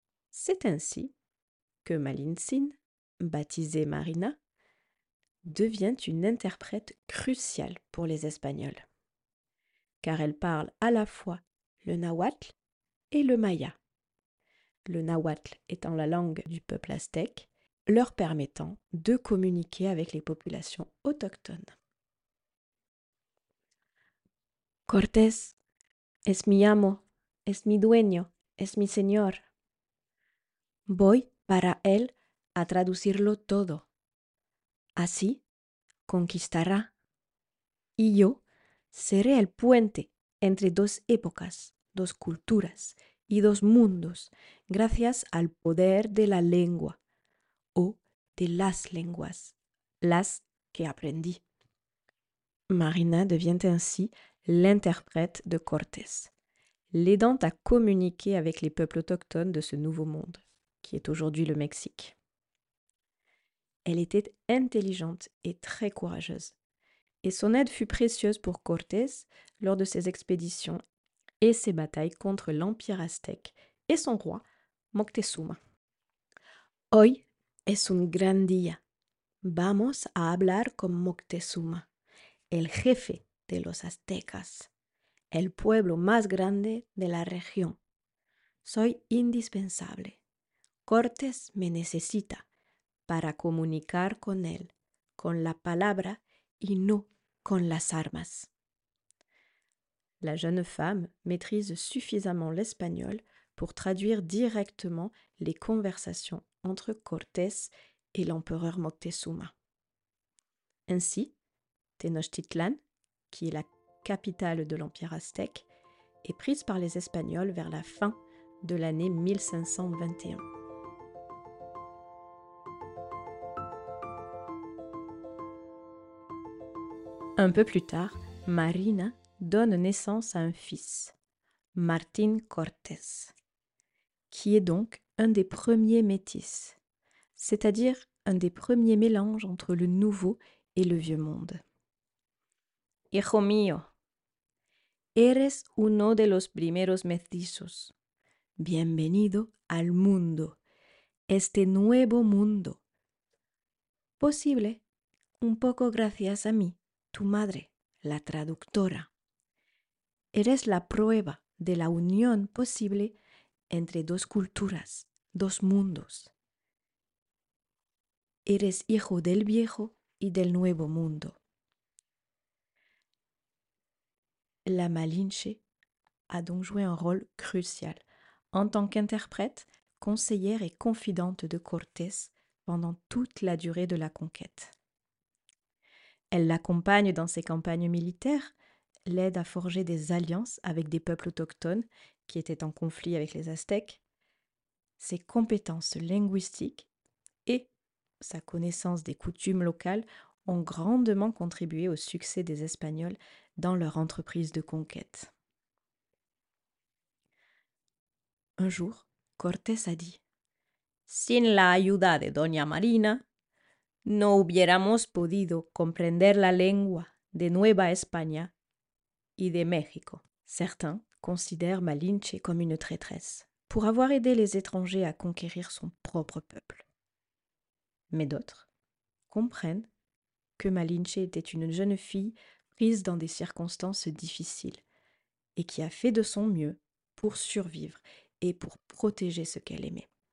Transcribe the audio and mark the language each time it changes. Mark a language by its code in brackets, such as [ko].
[fr] C'est ainsi que Malintzin, baptisée Marina, devient une interprète cruciale pour les Espagnols, car elle parle à la fois le nahuatl et le maya, le nahuatl étant la langue du peuple aztèque, leur permettant de communiquer avec les populations autochtones. [es] Cortés, es mi amo, es mi dueño, es mi señor. Voy para él a traducirlo todo. Así conquistará y yo seré el puente entre dos épocas, dos culturas y dos mundos gracias al poder de la lengua o de las lenguas, las que aprendí. [fr] Marina devient ainsi l'interprète de Cortés, l'aidant à communiquer avec les peuples autochtones de ce nouveau monde, qui est aujourd'hui le Mexique. Elle était intelligente et très courageuse, et son aide fut précieuse pour Cortés lors de ses expéditions et ses batailles contre l'Empire aztèque et son roi Moctezuma. [es] Hoy es un gran día. Vamos a hablar con Moctezuma, el jefe de los aztecas, el pueblo más grande de la región. Soy indispensable. Cortés me necesita para comunicar con él, con la palabra y no con las armas. [fr] La jeune femme maîtrise suffisamment l'espagnol pour traduire directement les conversations entre Cortés et l'empereur Moctezuma. Ainsi, Tenochtitlan, qui est la capitale de l'Empire aztèque, est prise par les Espagnols vers la fin de l'année 1521. Un peu plus tard, Marina donne naissance à un fils, Martin Cortés, qui est donc un des premiers métis, c'est-à-dire un des premiers mélanges entre le nouveau et le vieux monde. [es] Hijo mío, eres uno de los primeros mestizos. Bienvenido al mundo, este nuevo mundo. Posible, un poco gracias a mí. Tu madre, la traductora. Eres la prueba de la unión posible entre dos culturas, dos mundos. Eres hijo del viejo y del nuevo mundo. [fr] La Malinche a donc joué un rôle crucial en tant qu'interprète, conseillère et confidente de Cortés pendant toute la durée de la conquête. Elle l'accompagne dans ses campagnes militaires, l'aide à forger des alliances avec des peuples autochtones qui étaient en conflit avec les Aztèques. Ses compétences linguistiques et sa connaissance des coutumes locales ont grandement contribué au succès des Espagnols dans leur entreprise de conquête. Un jour, Cortés a dit [es] « Sin la ayuda de Doña Marina, no hubiéramos podido comprender la lengua de Nueva España y de México. » [fr] Certains considèrent Malinche comme une traîtresse pour avoir aidé les étrangers à conquérir son propre peuple. Mais d'autres comprennent que Malinche était une jeune fille prise dans des circonstances difficiles et qui a fait de son mieux pour survivre et pour protéger ce qu'elle aimait.